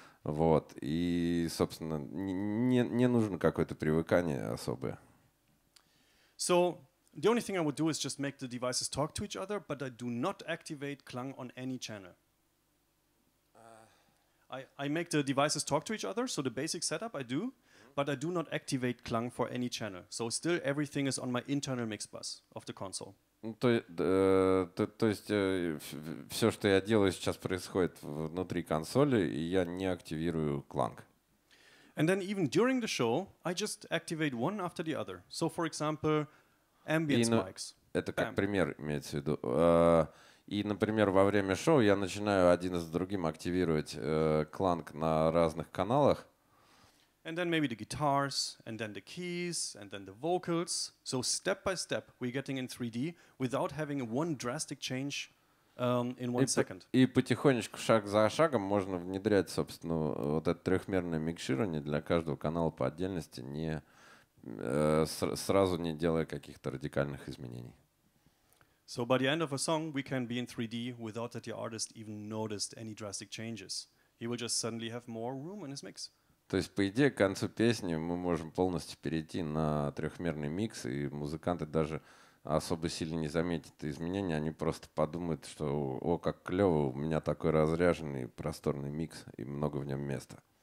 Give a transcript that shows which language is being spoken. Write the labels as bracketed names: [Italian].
[Russian] Вот, и, собственно, не нужно какое-то привыкание особое. [English] So, the only thing I would do is just make the devices talk to each other, but I do not activate Klang on any channel. I make the devices talk to each other, so the basic setup I do, but I do not activate Klang for any channel. So still everything is on my internal mix bus of the console. [Russian] То есть все, что я делаю сейчас, происходит внутри консоли, и я не активирую Klang. [English] And then even during the show, I just activate one after the other. So, for example, ambience mics. [Russian] Это как пример имеется в виду. И, например, во время шоу я начинаю один за другим активировать Klang на разных каналах. [English] And then maybe the guitars, and then the keys, and then the vocals. So step by step, we're getting in 3D without having one drastic change in one second. [Russian] И потихонечку, шаг за шагом, можно внедрять, собственно, вот это трехмерное микширование для каждого канала по отдельности, не сразу не делая каких-то радикальных изменений. [English] So by the end of a song, we can be in 3D without that the artist even noticed any drastic changes. He will just suddenly have more room in his mix. [Russian] То есть, по идее, к концу песни мы можем полностью перейти на трехмерный микс, и музыканты даже особо сильно не заметят изменения, они просто подумают, что, о, как клево, у меня такой разряженный просторный микс, и много в нем места.